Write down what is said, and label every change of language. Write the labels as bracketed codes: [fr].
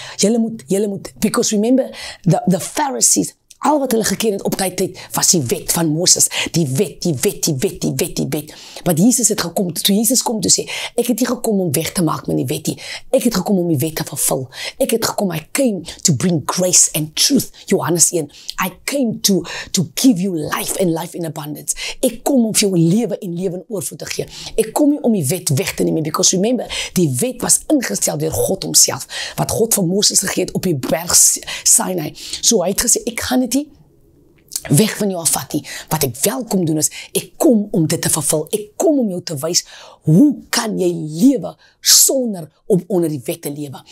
[af] Jylle moet, [en] because remember, the Pharisees, [af] al wat hulle geken het op die tyd, was die wet van Moses. Die wet. Want Jesus het gekom, toe Jesus kom toe sê, ek het nie gekom om weg te maak met die wet nie. Ek het gekom om die wet te vervul. Ek het gekom, [en] I came to bring grace and truth, Johannes 1. I came to give you life and life in abundance. [af] Ek kom om vir jou lewe en lewe in oorvloed te gee. Ek kom nie om die wet weg te neem, [en] because remember, [af] die wet was ingestel deur God homself, wat God vir Moses gegee het op die berg Sinai. So hy het gesê, ek gaan net die weg van jou afvat nie. Wat ek wel kom doen is, ek kom om dit te vervul. Ek kom om jou te wys, hoe kan jy lewe sonder om onder die wet te lewe?